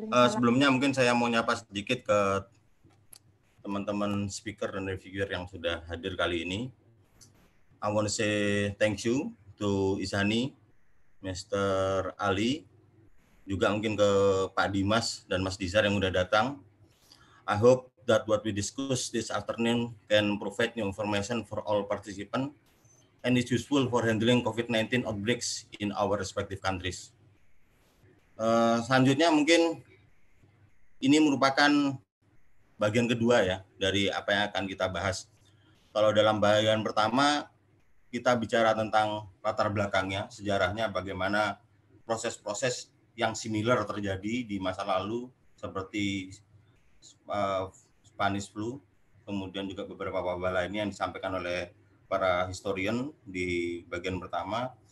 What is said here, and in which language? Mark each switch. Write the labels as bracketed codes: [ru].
[id] Sebelumnya mungkin saya mau nyapa sedikit ke teman-teman speaker dan reviewer yang sudah hadir kali ini. [en] I want to say thank you to Isani, Mr. [id] Ali, juga mungkin ke Pak Dimas dan Mas Dizar yang sudah datang. [en] I hope that what we discuss this afternoon can provide new information for all participants and is useful for handling COVID-19 outbreaks in our respective countries. [id] Selanjutnya mungkin ini merupakan bagian kedua ya dari apa yang akan kita bahas. Kalau dalam bagian pertama kita bicara tentang latar belakangnya, sejarahnya, bagaimana proses-proses yang similar terjadi di masa lalu seperti Spanish flu, kemudian juga beberapa wabah lainnya yang disampaikan oleh para historian di bagian pertama.